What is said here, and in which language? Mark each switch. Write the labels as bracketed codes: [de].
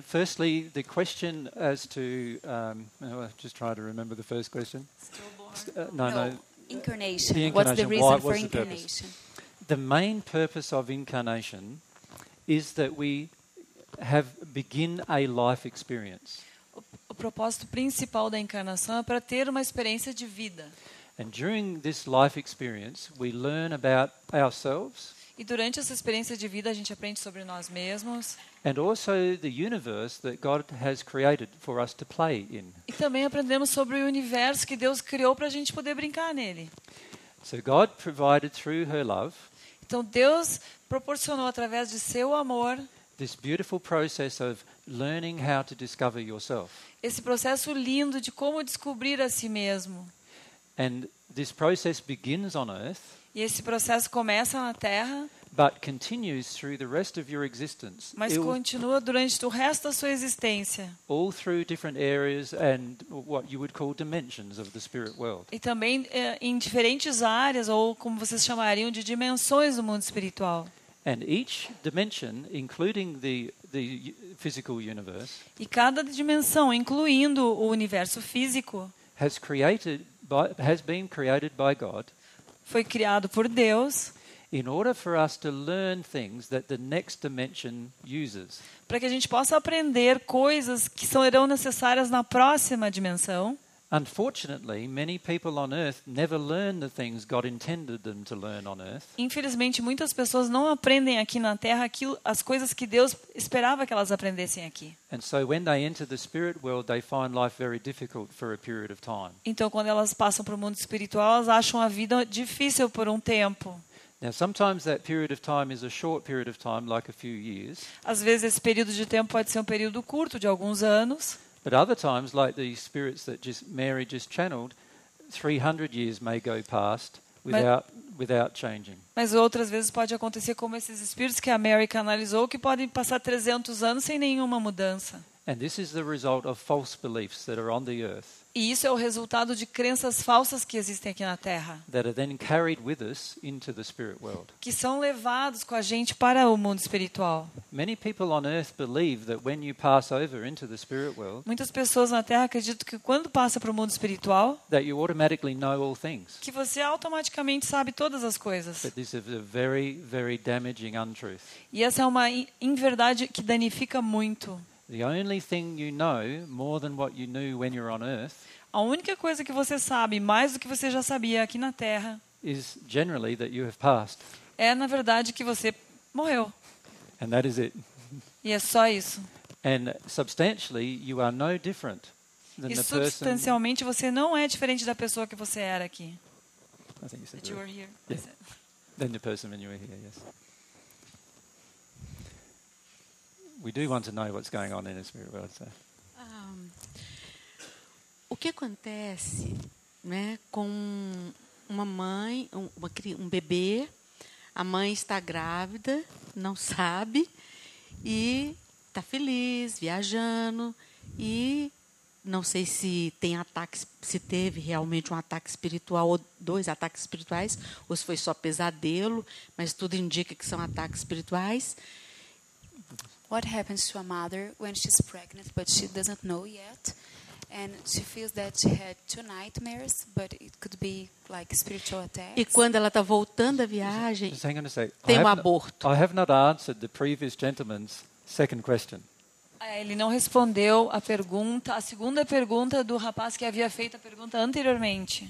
[en] Firstly, the question as to just try to remember the first question. Stillborn. Incarnation. What's the reason for incarnation? The main purpose of incarnation is that we begin a life experience. [pt] O propósito principal da encarnação é para ter uma experiência de vida. [en] And during this life experience, we learn about ourselves. [pt] E durante essa experiência de vida a gente aprende sobre nós mesmos. [en] And also the universe that God has created for us to play in. [pt] E também aprendemos sobre o universo que Deus criou para a gente poder brincar nele. [en] So God provided through her love. [pt] Então Deus proporcionou através de seu amor. [en] This beautiful process of learning how to discover yourself. [pt] Esse processo lindo de como descobrir a si mesmo. [en] And this process begins on earth. [pt] E esse processo começa na Terra. [en] But continues through the rest of your existence. [pt] Mas continua durante o resto da sua existência. [en] All through different areas and what you would call dimensions of the spirit world. [pt] E também em diferentes áreas ou como vocês chamariam de dimensões do mundo espiritual. [en] And each dimension, including the physical universe. [pt] E cada dimensão, incluindo o universo físico, [en] has been created by God. [pt] foi criado por Deus. [en] In order for us to learn things that the next dimension uses. [pt] Para que a gente possa aprender coisas que serão necessárias na próxima dimensão. [en] Unfortunately, many people on earth never learn the things God intended them to learn on earth. [pt] Infelizmente, muitas pessoas não aprendem aqui na Terra aquilo, as coisas que Deus esperava que elas aprendessem aqui. [en] And so when they enter the spirit world, they find life very difficult for a period of time. [pt] Então, quando elas passam para o mundo espiritual, elas acham a vida difícil por um tempo. [en] Now, sometimes that period of time is a short period of time, like a few years. [pt] Às vezes esse período de tempo pode ser um período curto de alguns anos. [en] But other times, like the spirits that just Mary just channeled, 300 years may go past without changing. [pt] Mas outras vezes pode acontecer como esses espíritos que a Mary canalizou, que podem passar 300 anos sem nenhuma mudança. [en] And this is the result of false beliefs that are on the earth. [pt] E isso é o resultado de crenças falsas que existem aqui na Terra. [en] That are then carried with us into the spirit world. [pt] Que são levados com a gente para o mundo espiritual. [en] Many people on earth believe that when you pass over into the spirit world. [pt] Muitas pessoas na Terra acreditam que quando passa para o mundo espiritual, [en] that you automatically know all things. [pt] Que você automaticamente sabe todas as coisas. [en] But this is a very, very damaging untruth. [pt] E essa é uma inverdade que danifica muito. [en] The only thing you know more than what you knew when you're on earth. [pt] A única coisa que você sabe mais do que você já sabia aqui na Terra. [en] Is generally that you have passed. [pt] É na verdade que você morreu. [en] And that is it. [pt] E é só isso. [en] And substantially you are no different than the person. [pt] E substancialmente você não é diferente da pessoa que você era aqui. [en] I think you said that. You were here. Yeah. Than the person when you were here, yes. We do want to know what's going on in the spirit world. So. [pt] O que acontece, né, com uma mãe, um bebê, a mãe está grávida, não sabe, e está feliz, viajando, e não sei se tem ataque, se teve realmente um ataque espiritual, ou dois ataques espirituais, ou se foi só pesadelo, mas tudo indica que são ataques espirituais. [en] What happens to a mother when she's pregnant, but she doesn't know yet, and she feels that she had two nightmares, but it could be like spiritual attacks. [pt] E quando ela está voltando da viagem, [en] just hang on a sec. [pt] Tem um aborto. [en] I have not answered the previous gentleman's second question. [pt] Ele não respondeu a pergunta, a segunda pergunta do rapaz que havia feito a pergunta anteriormente.